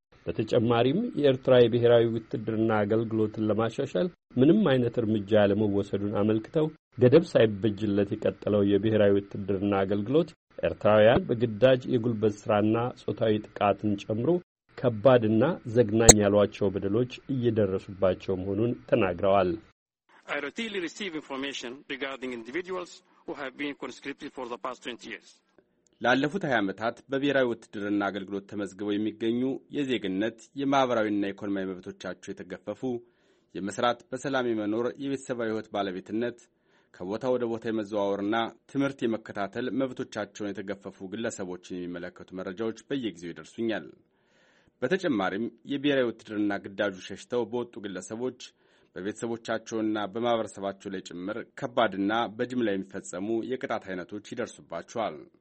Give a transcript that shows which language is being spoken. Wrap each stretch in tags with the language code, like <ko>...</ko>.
<am>በተጨማሪም የኤርትራ የብሔራዊ ውትድርና አገልግሎትን ለማሻሻል ምንም አይነት እርምጃ ለመወሰዱን አመልክተው ገደብ ሳይበጅለት የቀጠለው የብሔራዊ ውትድርና አገልግሎት ኤርትራውያን በግዳጅ የጉልበት ስራና ጾታዊ ጥቃትን ጨምሮ ከባድና ዘግናኝ ያሏቸው በደሎች እየደረሱባቸው መሆኑን ተናግረዋል።</am> <en>I routinely receive information regarding individuals who have been conscripted for the past 20 years.</en> <am>ላለፉት 20 ዓመታት በብሔራዊ ውትድርና አገልግሎት ተመዝግበው የሚገኙ የዜግነት የማህበራዊና ኢኮኖሚያዊ መብቶቻቸው የተገፈፉ፣ የመስራት በሰላም የመኖር የቤተሰባዊ ህይወት ባለቤትነት፣ ከቦታ ወደ ቦታ የመዘዋወርና ትምህርት የመከታተል መብቶቻቸውን የተገፈፉ ግለሰቦችን የሚመለከቱ መረጃዎች በየጊዜው ይደርሱኛል። በተጨማሪም የብሔራዊ ውትድርና ግዳጁ ሸሽተው በወጡ ግለሰቦች በቤተሰቦቻቸውና በማህበረሰባቸው ላይ ጭምር ከባድና በጅምላ የሚፈጸሙ የቅጣት አይነቶች ይደርሱባቸዋል።</am>